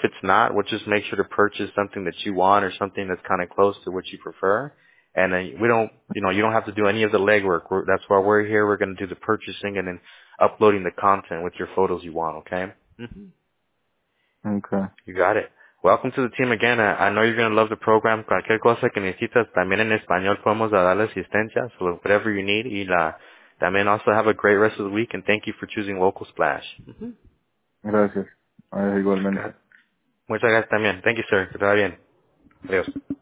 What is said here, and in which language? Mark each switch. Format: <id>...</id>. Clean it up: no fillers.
<en>If it's not, we'll just make sure to purchase something that you want or something that's kind of close to what you prefer. And you don't have to do any of the legwork. That's why we're here. We're going to do the purchasing and then uploading the content with your photos you want, okay? Mm-hmm. Okay. You got it. Welcome to the team again. I know you're going to love the program.</en> <es>Cualquier cosa que necesitas, también en español podemos darle asistencia.</es> <en>So whatever you need,</en> <es>y la...</es> <en>That man also have a great rest of the week, and thank you for choosing Local Splash.</en> <es>Mm-hmm. Gracias. Igualmente. Muchas gracias también.</es> <en>Thank you, sir.</en> <es>Que te va bien. Adiós.</es>